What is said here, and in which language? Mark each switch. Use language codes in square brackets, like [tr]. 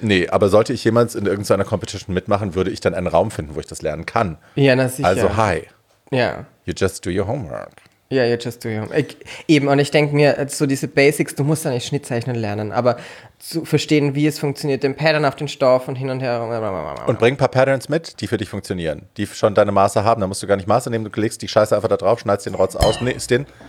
[de] Nee, aber sollte ich jemals in irgendeiner einer Competition mitmachen, würde ich dann einen Raum finden, wo ich das lernen kann. Ja, na sicher. Also hi. Ja. [en] You just do your homework. Ja, you just do your homework. [de] Eben, und ich denke mir, so diese Basics, du musst ja nicht Schnittzeichnen lernen, aber zu verstehen, wie es funktioniert, den Pattern auf den Stoff und hin und her. Und bring ein paar Patterns mit, die für dich funktionieren, die schon deine Maße haben, da musst du gar nicht Maße nehmen, du legst die Scheiße einfach da drauf, schneidest den Rotz aus, nimmst den.